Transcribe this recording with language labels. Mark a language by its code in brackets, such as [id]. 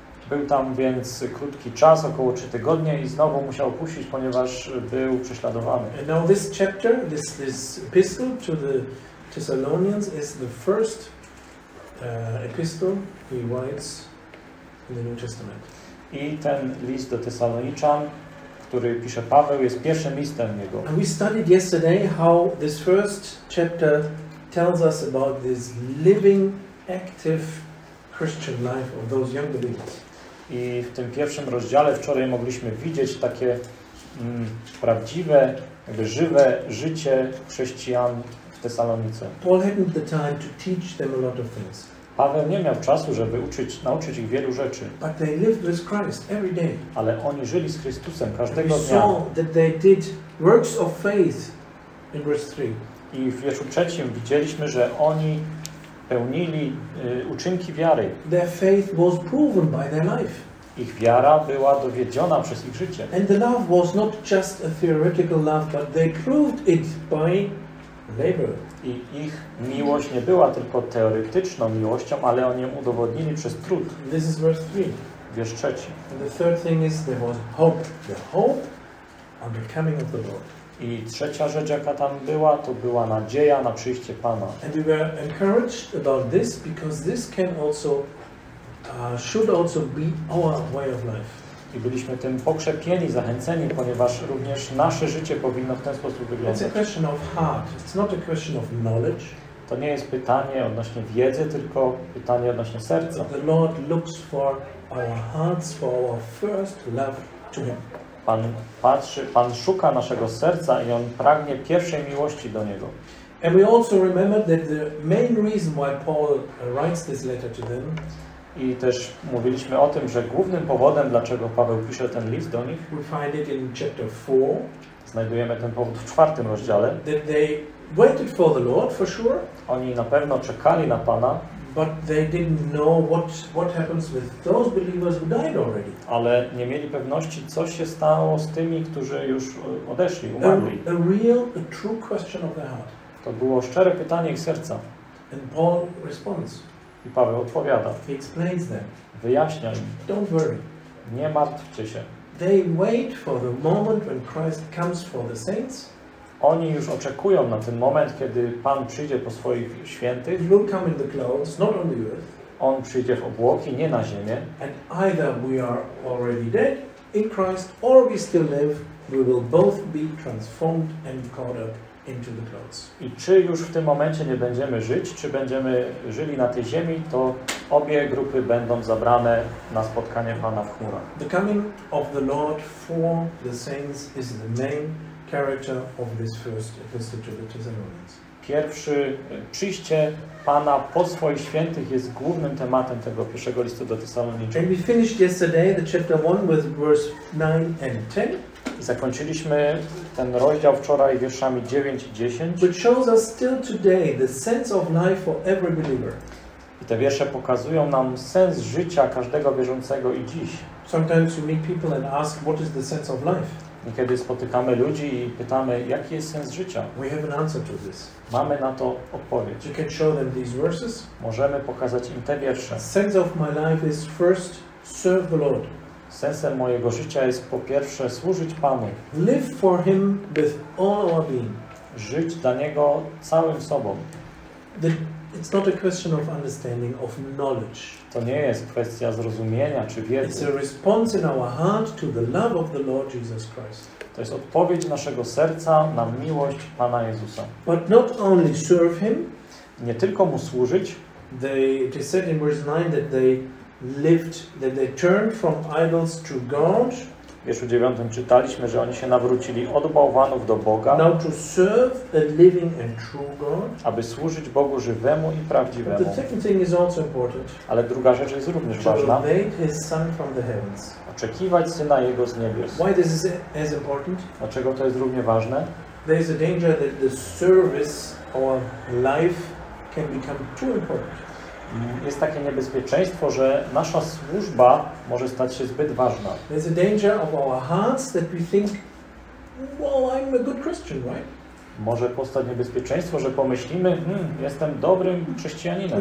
[pl] Był tam więc krótki czas, około 3 tygodnie i znowu musiał opuścić, ponieważ był prześladowany. [en] And now this chapter, this epistle to the Thessalonians is the first epistle he writes in the New Testament. [pl] I ten list do Tesaloniczan, który pisze Paweł, jest pierwszym listem jego. [en] And we studied yesterday how this first chapter tells us about this living, active Christian life of those young believers. [pl] I w tym pierwszym rozdziale wczoraj mogliśmy widzieć takie prawdziwe, jakby żywe życie chrześcijan w Tesalonice. [en] Paul hadn't the time to teach them a lot of things. [pl] Paweł nie miał czasu, żeby nauczyć ich wielu rzeczy. [en] But they lived with Christ every day. [pl] Ale oni żyli z Chrystusem każdego dnia. [en] We saw that they did works of faith in verse 3. [pl] I w wierszu trzecim widzieliśmy, że oni pełnili uczynki wiary. [en] Their faith was proven by their life. [pl] Ich wiara była dowiedziona przez ich życie. [en] And the love was not just a theoretical love, but they proved it by labor. [pl] I ich miłość nie była tylko teoretyczną miłością, ale oni ją udowodnili przez trud. [en] This is verse 3. [pl] Wiersz trzeci. [en] And the third thing is there was hope. The hope on the coming of the Lord. [pl] I trzecia rzecz, jaka tam była, to była nadzieja na przyjście Pana. [en] And we were encouraged about this because this can also should also be our way of life. [pl] I byliśmy tym pokrzepieni, zachęceni, ponieważ również nasze życie powinno w ten sposób wyglądać. [en] It's a question of heart. It's not a question of knowledge. [pl] To nie jest pytanie odnośnie wiedzy, tylko pytanie odnośnie serca. [en] The Lord looks for our hearts, for our first love to him. [pl] Pan patrzy, Pan szuka naszego serca i on pragnie pierwszej miłości do niego. [en] And we also remember that the main reason why Paul writes this letter to them. [pl] I też mówiliśmy o tym, że głównym powodem, dlaczego Paweł pisze ten list do nich, [en] we find it in chapter 4. [pl] Znajdujemy ten powód w 4 rozdziale. [en] That they waited for the Lord for sure. [pl] Oni na pewno czekali na Pana. [en] But they didn't know what happens with those believers who died already. [pl] Ale nie mieli pewności, co się stało z tymi, którzy już odeszli, umarli. [en] A true question of the heart. [pl] To było szczere pytanie ich serca. [en] And Paul responds. [pl] I Paweł odpowiada. [en] He explains them. [pl] Wyjaśnia im. [en] Don't worry. [pl] Nie martwcie się. [en] They wait for the moment when Christ comes for the saints. [pl] Oni już oczekują na ten moment, kiedy Pan przyjdzie po swoich świętych. [en] He will come in the clouds, not on the earth. [pl] On przyjdzie w obłoki, nie na ziemię. [en] And either we are already dead in Christ, or we still live, we will both be transformed and caught up into the clouds. [pl] I czy już w tym momencie nie będziemy żyć, czy będziemy żyli na tej ziemi, to obie grupy będą zabrane na spotkanie Pana w chmurach. [en] The coming of the Lord for the saints is the main character of this first epistle to the Thessalonians. [pl] Pierwszy przyjście Pana po swoich świętych jest głównym tematem tego pierwszego listu do Tesaloniczan. [en] We finished yesterday the chapter 1 with verse 9 and 10. [pl] I zakończyliśmy ten rozdział wczoraj wierszami 9 i 10. [en] Which shows us still today the sense of life for every believer. [pl] I te wiersze pokazują nam sens życia każdego wierzącego i dziś. [en] Sometimes you meet people and ask, what is the sense of life? [pl] Niekiedy spotykamy ludzi i pytamy, jaki jest sens życia? [en] We have an answer to this. [pl] Mamy na to odpowiedź. [en] You can show them these verses. [pl] Możemy pokazać im te wiersze. [en] Sense of my life is first serve the Lord. [pl] Sensem mojego życia jest po pierwsze służyć Panu. [en] Live for Him with all our being. [pl] Żyć dla Niego całym sobą. [en] It's not a question of understanding, of knowledge. [pl] To nie jest kwestia zrozumienia czy wiedzy. [en] It's a response in our heart to the love of the Lord Jesus Christ. [pl] To jest odpowiedź naszego serca na miłość Pana Jezusa. [en] But not only serve Him. [pl] Nie tylko Mu służyć. [en] They said in verse 9 that they lived, that they turned from idols to God. [pl] W wierszu 9 czytaliśmy, że oni się nawrócili od bałwanów do Boga, [en] now to serve a living and true God, [pl] aby służyć Bogu żywemu i prawdziwemu. [en] But the second thing is also important, [pl] ale druga rzecz jest również ważna. [en] His son from the heavens. [pl] Oczekiwać Syna Jego z niebios. [en] Why this is as important? [pl] Dlaczego to jest równie ważne? [en] There is a danger that the service or life can become too important. [pl] Jest takie niebezpieczeństwo, że nasza służba może stać się zbyt ważna. [en] There's a danger of our hearts that we think, well, I'm a good Christian, right? [pl] Może powstać niebezpieczeństwo, że pomyślimy, jestem dobrym chrześcijaninem.